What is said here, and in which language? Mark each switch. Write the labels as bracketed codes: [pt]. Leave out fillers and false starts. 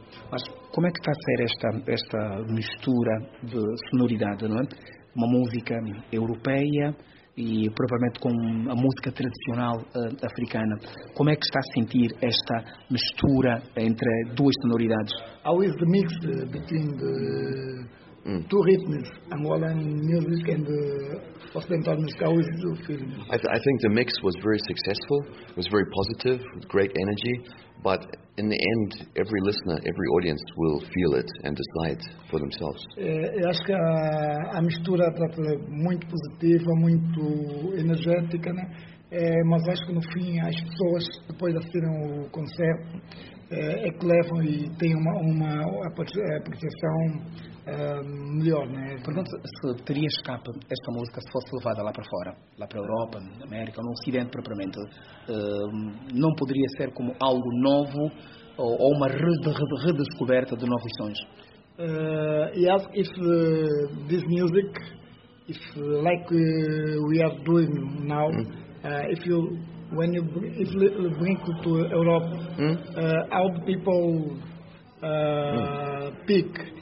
[pt] Mas como é que está a ser esta mistura de sonoridade, não é? Uma música europeia e propriamente com a música tradicional africana. Como é que está a sentir esta mistura entre duas sonoridades? [en] Há o mix between the two rhythms, Angolan music and Ocidental music. How is the feeling? I think the mix was very successful, was very positive, with great energy. But in the end, every listener, every audience will feel it and decide for themselves. [pt] Eu acho que a mistura está muito positiva, muito energética, né? Mas acho que no fim as pessoas depois de assistirem o concerto é que levam e têm uma apreciação melhor, né? Portanto, se teria escape esta música se fosse levada lá para fora, lá para a Europa, na América, no Ocidente propriamente, não poderia ser como algo novo ou uma redescoberta de novos sons? [en] If this music, if like we are doing now, if you when you if you bring it to Europe, how do people pick?